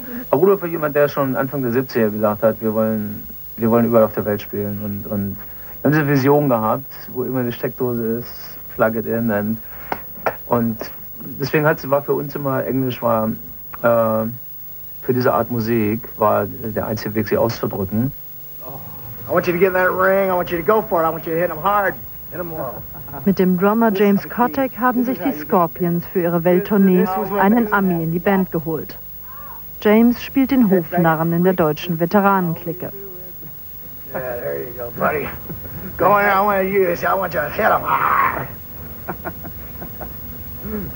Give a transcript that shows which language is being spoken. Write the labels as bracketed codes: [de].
[de] Aber Rudolf war jemand, der schon Anfang der 70er gesagt hat, wir wollen überall auf der Welt spielen, und wir haben diese Vision gehabt, wo immer die Steckdose ist, [en] plug it in, [de] und deswegen war für uns immer, Englisch war für diese Art Musik, war der einzige Weg, sie auszudrücken. [en] Oh, I want you to get that ring, I want you to go for it, I want you to hit him hard, hit him well. [de] Mit dem Drummer James Kotek haben sich die Scorpions für ihre Welttournee einen Ami in die Band geholt. James spielt den Hofnarren in der deutschen Veteranenclique. [en] Yeah, there you go, buddy. Go in, I want you to use it. I want you to hit him.